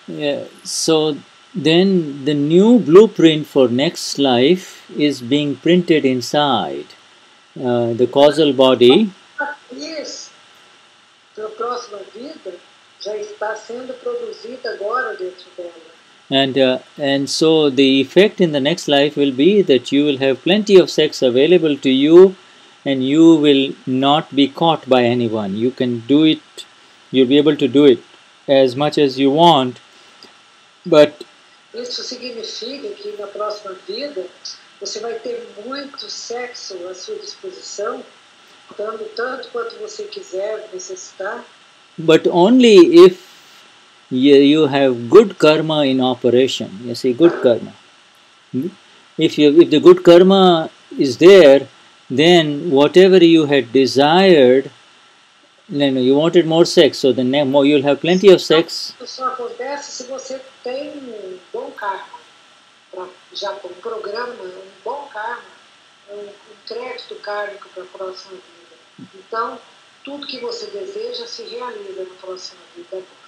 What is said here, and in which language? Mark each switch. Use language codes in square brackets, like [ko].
[en] Yeah, so then the new blueprint for next life is being printed inside the causal body. [pt] Isso, na próxima vida, já está sendo produzida agora dentro dela. [en] And so the effect in the next life will be that you will have plenty of sex available to you and you will not be caught by anyone. You can do it, you'll be able to do it as much as you want, but... [pt] Isso significa que na próxima vida você vai ter muito sexo à sua disposição, dando tanto quanto você quiser, necessitar. [en] But only if you have good karma in operation. You see, good karma. If the good karma is there, then whatever you had desired, you know, you wanted more sex, so then more you'll have plenty of sex. [pt] Isso acontece se você tem bom karma, já com programa, bom karma, crédito kármico para a próxima vida. Então, tudo que você deseja se realiza na próxima vida.